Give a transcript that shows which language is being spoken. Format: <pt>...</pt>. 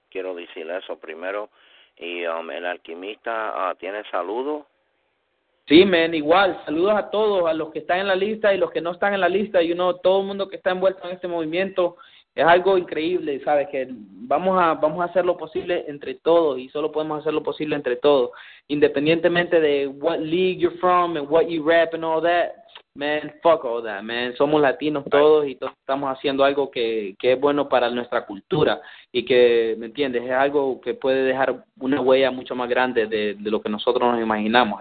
<es>Quiero decir eso primero. Y el alquimista, ¿tiene saludo? Sí, men, igual. Saludos a todos, a los que están en la lista y los que no están en la lista. Y uno, todo el mundo que está envuelto en este movimiento. Es algo increíble, ¿sabes? Que vamos a hacer lo posible entre todos. Y solo podemos hacer lo posible entre todos. Independientemente de</es> <en>what league you're from and what you rap and all that. Man, fuck all that, man.</en> <es>Somos latinos todos y todos estamos haciendo algo que es bueno para nuestra cultura y que, ¿me entiendes? Es algo que puede dejar una huella mucho más grande de lo que nosotros nos imaginamos.</es>